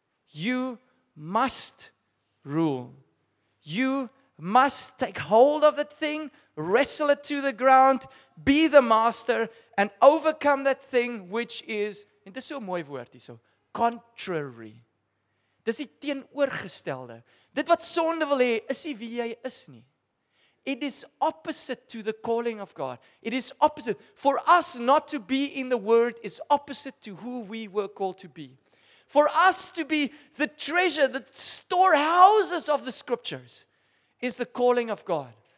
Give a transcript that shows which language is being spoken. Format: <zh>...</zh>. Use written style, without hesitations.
<en>you must rule. You must take hold of that thing, wrestle it to the ground, be the master, and overcome that thing which is,</en> <af>en dit is so 'n mooi woord hier,</af> <en>so contrary.</en> <af>Dis die teenoorgestelde. Dit wat sonde wil hê, is nie wie jy is nie.</af> <en>It is opposite to the calling of God. It is opposite. For us not to be in the word is opposite to who we were called to be. For us to be the treasure, the storehouses of the scriptures, is the calling of God.</en>